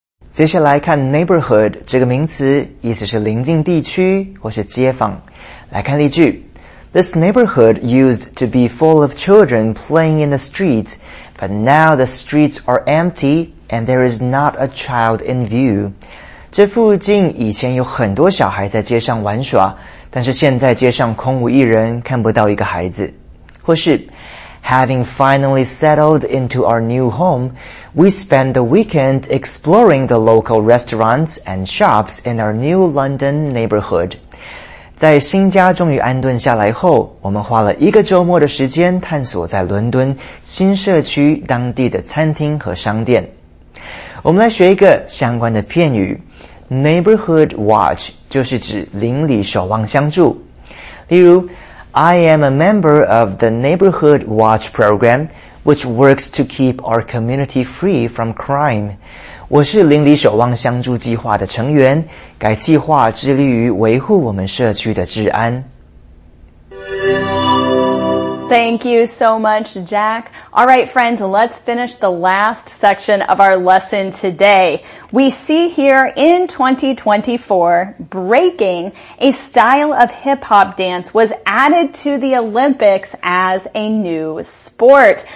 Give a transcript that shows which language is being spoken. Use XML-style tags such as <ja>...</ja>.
<zh>接下来看 neighborhood 这个名词，意思是邻近地区或是街坊。来看例句</zh> <en>：This neighborhood used to be full of children playing in the street, but now the streets are empty and there is not a child in view.</en> <zh>这附近以前有很多小孩在街上玩耍，但是现在街上空无一人，看不到一个孩子。</zh> <en>或是 ，Having finally settled into our new home. We spend the weekend exploring the local restaurants and shops in our new London neighborhood.</en> <zh>在新家终于安顿下来后，我们花了一个周末的时间探索在伦敦新社区当地的餐厅和商店。我们来学一个相关的片语。 Neighborhood watch 就是指邻里守望相助。</zh> <en>例如 ,I am a member of the Neighborhood Watch Program,which works to keep our community free from crime.</en> <zh>我是邻里守望相助计划的成员，该计划致力于维护我们社区的治安。</zh> <en>Thank you so much, Jack. All right, friends, let's finish the last section of our lesson today. We see here in 2024, breaking, a style of hip-hop dance, was added to the Olympics as a new sport.</en>